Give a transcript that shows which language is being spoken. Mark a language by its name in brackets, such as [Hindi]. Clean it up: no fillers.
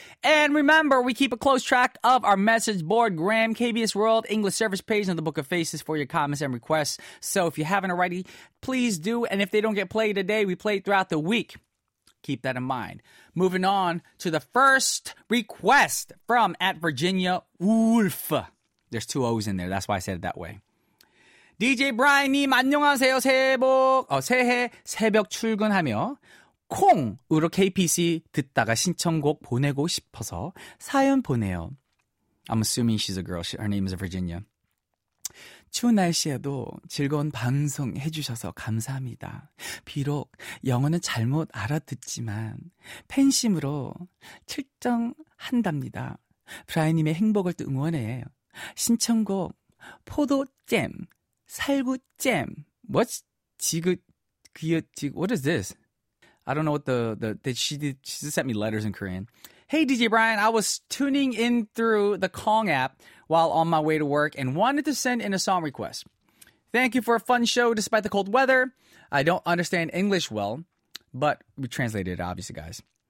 [English] And remember, we keep a close track of our message board, Graham, KBS World, English Service page, and the Book of Faces for your comments and requests. So if you haven't already, please do. And if they don't get played today, we play it throughout the week. Keep that in mind. Moving on to the first request from at Virginia Wolf. There's two O's in there. That's why I said it that way. [Korean] DJ Brian님, 안녕하세요. 새해 새벽 출근하며 콩으로 KPC 듣다가 신청곡 보내고 싶어서 사연 보내요. [English] I'm assuming she's a girl. Her name is Virginia. [Korean] 추운 날씨에도 즐거운 방송 해주셔서 감사합니다. 비록 영어는 잘못 알아듣지만 팬심으로 출정한답니다. 브라이님의 행복을 응원해 신청곡 포도잼 살구잼. [English] What's [Korean] 지그 [English] What is this? I don't know what she sent me letters in Korean. Hey DJ Brian, I was tuning in through the Kong app while on my way to work and wanted to send in a song request. Thank you for a fun show despite the cold weather. I don't understand English well, but we translated it obviously, guys.